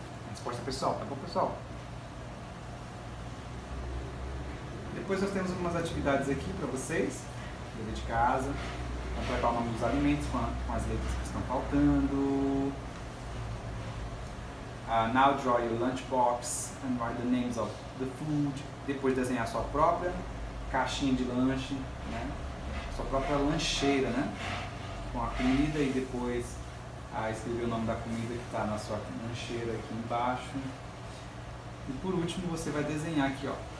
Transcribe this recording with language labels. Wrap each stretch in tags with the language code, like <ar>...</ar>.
<pt>Resposta pessoal. Tá bom, pessoal? Depois nós temos algumas atividades aqui para vocês. Dever de casa. Completar o nome dos alimentos com as letras que estão faltando.</pt> <en>Now draw your lunchbox and write the names of the food.</en> <pt>Depois desenhar a sua própria caixinha de lanche, né? A própria lancheira, né? Com a comida e depois escrever o nome da comida que está na sua lancheira aqui embaixo. E por último, você vai desenhar aqui, ó.</pt>